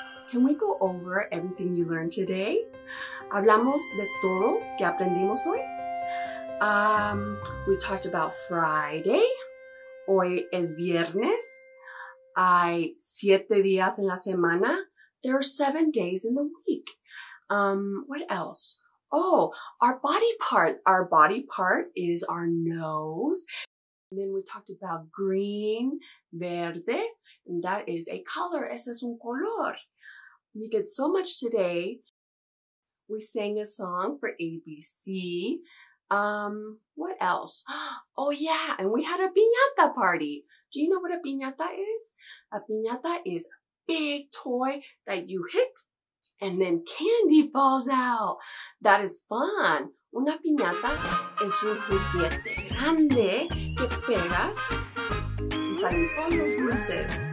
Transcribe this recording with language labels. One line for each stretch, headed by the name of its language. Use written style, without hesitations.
English: Can we go over everything you learned today?
Spanish: ¿Hablamos de todo que aprendimos hoy?
English: We talked about Friday.
Spanish: Hoy es viernes. Hay siete días en la semana.
English: There are 7 days in the week. What else? Oh, our body part. Our body part is our nose. And then we talked about green, verde. And that is a color.
Spanish: Ese es un color.
English: We did so much today. We sang a song for ABC. What else? Oh, yeah. And we had a piñata party. Do you know what a piñata is? A piñata is a big toy that you hit and then candy falls out. That is fun.
Spanish: Una piñata es un juguete grande que pegas y salen todos los dulces.